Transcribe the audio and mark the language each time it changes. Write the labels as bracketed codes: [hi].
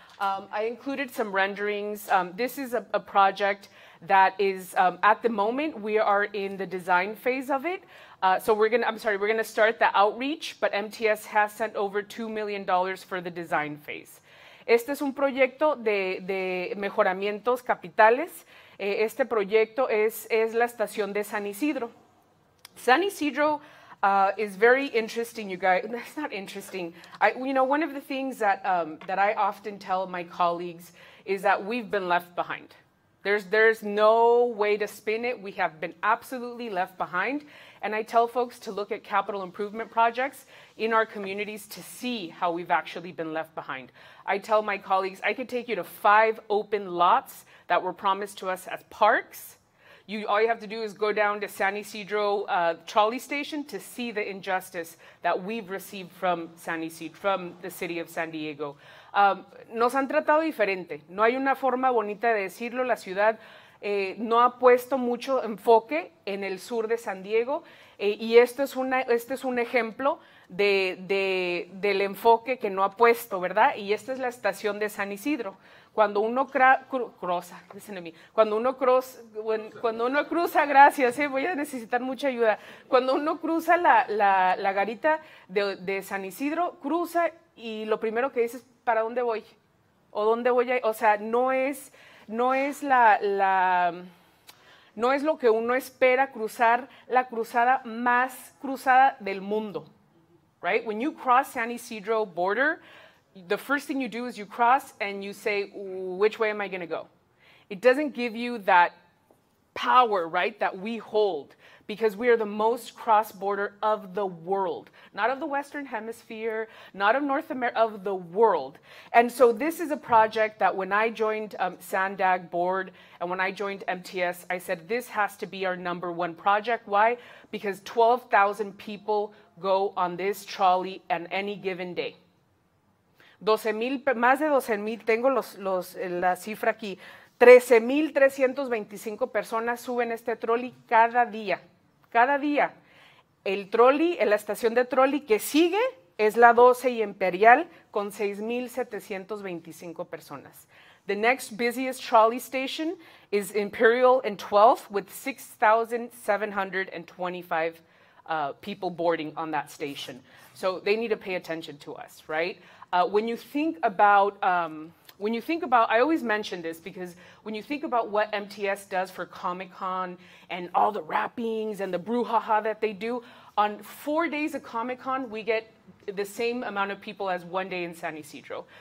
[en] I included some renderings. This is a project that is, at the moment, we are in the design phase of it. So we're gonna start the outreach, but MTS has sent over $2 million for the design phase. [es] Este es un proyecto de mejoramientos capitales. Este proyecto es la estación de San Ysidro. [en] San Ysidro is very interesting, you guys. That's not interesting. One of the things that that I often tell my colleagues is that we've been left behind. There's no way to spin it. We have been absolutely left behind. And I tell folks to look at capital improvement projects in our communities to see how we've actually been left behind. I tell my colleagues, I could take you to 5 open lots that were promised to us as parks. All you have to do is go down to San Ysidro trolley station to see the injustice that we've received from San Ysidro, from the city of San Diego. [es] Nos han tratado diferente. No hay una forma bonita de decirlo. La ciudad no ha puesto mucho enfoque en el sur de San Diego. Y este es un ejemplo del enfoque que no ha puesto, ¿verdad? Y esta es la estación de San Ysidro. Cuando uno cruza, [en] listen to me. [es] Cuando uno cruza, voy a necesitar mucha ayuda. Cuando uno cruza la garita de San Ysidro, cruza y lo primero que dice es, ¿para dónde voy? ¿O dónde voy a ir? O sea, no es lo que uno espera cruzar la cruzada más cruzada del mundo, right? [en] When you cross San Ysidro border, the first thing you do is you cross and you say, which way am I going to go? It doesn't give you that power, right, that we hold, because we are the most cross-border of the world, not of the Western Hemisphere, not of North America, of the world. And so this is a project that when I joined SANDAG board and when I joined MTS, I said this has to be our number one project. Why? Because 12,000 people go on this trolley on any given day. [es] 12,000, más de 12,000, tengo la cifra aquí, 13,325 personas suben este trolley cada día. Cada día. El trolley, la estación de trolley que sigue es la 12 y Imperial con 6,725 personas. [en] The next busiest trolley station is Imperial and 12th with 6,725 people boarding on that station. So they need to pay attention to us, right? When you think about, I always mention this because when you think about what MTS does for Comic-Con and all the wrappings and the brouhaha that they do, on 4 days of Comic-Con, we get the same amount of people as one day in San Ysidro.